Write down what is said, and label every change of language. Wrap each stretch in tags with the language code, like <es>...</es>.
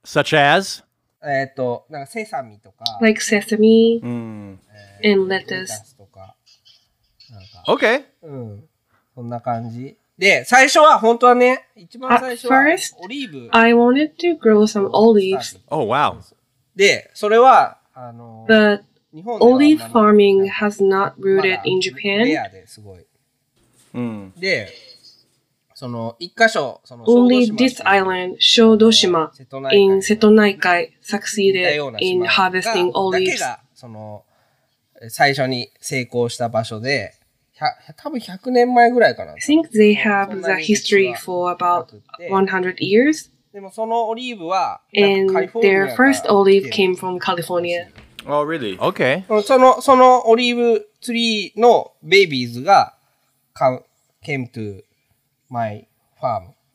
<en>Such as?</en> <ja>なんかセサミとか.</ja> <en>Like sesame and lettuce. Okay.</en> <ja>そんな感じ. で、最初は本当はね、 一番最初はオリーブ。</ja> <en>I wanted to grow some olives. Oh, wow.</en> <ja>で、それは、</ja> <en>But olive farming has not rooted in Japan.</en> <ja>で、その、一箇所、その、</ja> <en>Only this island, Shodoshima, in Setonaikai, succeeded in harvesting olives.</en> <ja>だけが、その、最初に成功した場所で、 多分100年前ぐらいかな。</ja> <en>I think they have the history for about 100 years.</en> <ja>でもそのオリーブは、</ja> <en>And their first olive came from California. Oh, really? Okay.</en> <ja>そのオリーブツリーのベイビーズが</ja> <en>came to my farm.</en>